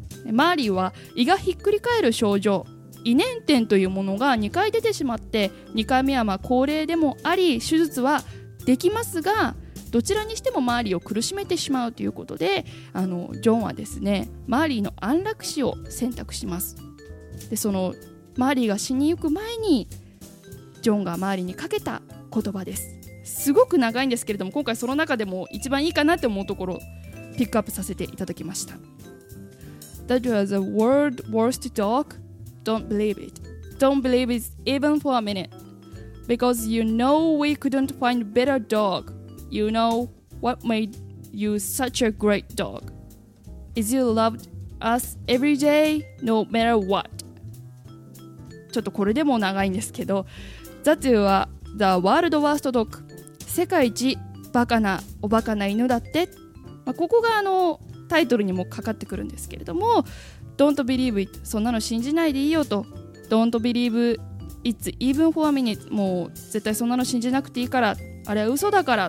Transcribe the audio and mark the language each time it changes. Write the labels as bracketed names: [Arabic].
[Japanese] マーリーは胃がひっくり返る症状、胃捻転というものが2回出てしまって、2回目はまあ高齢でもあり手術はできますが、どちらにしてもマーリーを苦しめてしまうということで、ジョンはですねマーリーの安楽死を選択します。でそのマーリーが死にゆく前にジョンがマーリーにかけた言葉です。すごく長いんですけれども、今回その中でも一番いいかなって思うところピックアップさせていただきました。 [English] That was the world's worst dog. Don't believe it. Don't believe it even for a minute. Because you know we couldn't find a better dog. You know what made you such a great dog. Is you loved us every day, no matter what. [Japanese] ちょっとこれでも長いんですけど、 [English] That was the world's worst dog. [Japanese] 世界一バカなおバカな犬だって。まあ、ここがタイトルにもかかってくるんですけれども、 [English] Don't believe it、 [Japanese] そんなの信じないでいいよと、 [English] Don't believe it even for a minute、 [Japanese] もう絶対そんなの信じなくていいから、あれは嘘だから。